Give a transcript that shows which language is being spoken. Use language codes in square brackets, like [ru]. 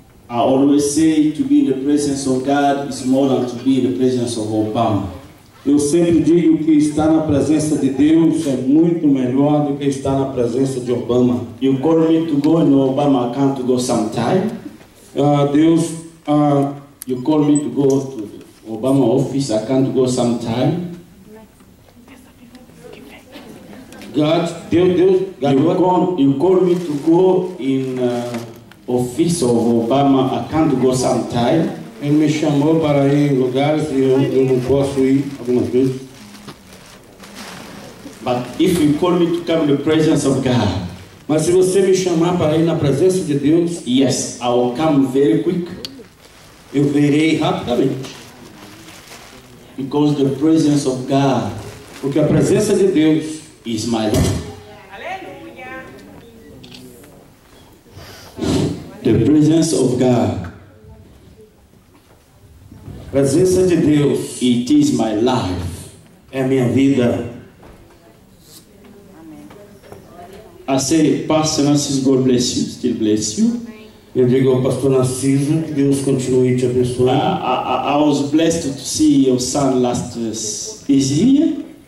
[en] I always say to be in the presence of God is more than to be in the presence of Obama. [pt] Eu sempre digo que estar na presença de Deus é muito melhor do que estar na presença de Obama. [en] You call me to go and Obama can't go sometime. [pt] Deus, [en] you call me to go to Obama office, I can't go sometime. God, Deus, God, you call me to go in office of Obama, I can't go sometime. [pt] Ele me chamou para ir em lugares e eu não posso ir algumas vezes. [en] But if you call me to come in the presence of God, [pt] mas se você me chamar para ir na presença de Deus, [en] yes, I will come very quick. [pt] Eu virei rapidamente. [en] Because the presence of God, [pt] porque a presença de Deus, [en] is my life. [pt] Aleluia. [en] The presence of God, [pt] presença de Deus, [en] it is my life, [pt] é minha vida. [en] I say, Pastor Narciso, God bless you, still bless you. [pt] Eu digo ao Pastor Narciso, que Deus continue te abençoar. [en] I was blessed to see your son last year.